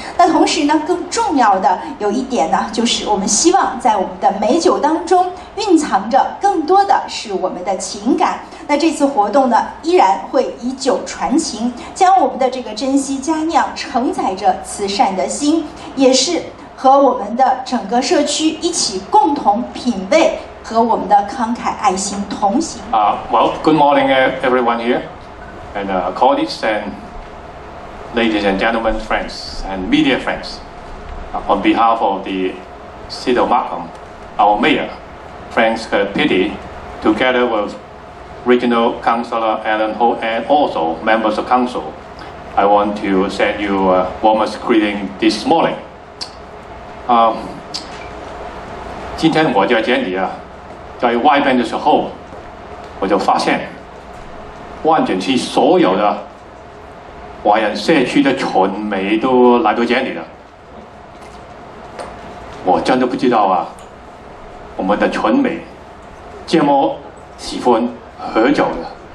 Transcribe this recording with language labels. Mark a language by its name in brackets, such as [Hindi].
[Chinese] 那同时呢，更重要的有一点呢，就是我们希望在我们的美酒当中蕴藏着更多的是我们的情感。那这次活动呢，依然会以酒传情，将我们的这个珍稀佳酿承载着慈善的心，也是和我们的整个社区一起共同品味和我们的慷慨爱心同行。 [English] Well, good morning, everyone here, and colleagues and ladies and gentlemen, friends and media friends. On behalf of the City of Markham, our mayor, Frank Scarpitti, together with Regional Councillor Alan Ho and also members of council, I want to send you a warmest greeting this morning. [Chinese] 今天我在这里啊，在外边的时候，我就发现万锦区所有的华人社区的传媒都来到这里了。我真的不知道啊，我们的传媒这么喜欢喝酒的。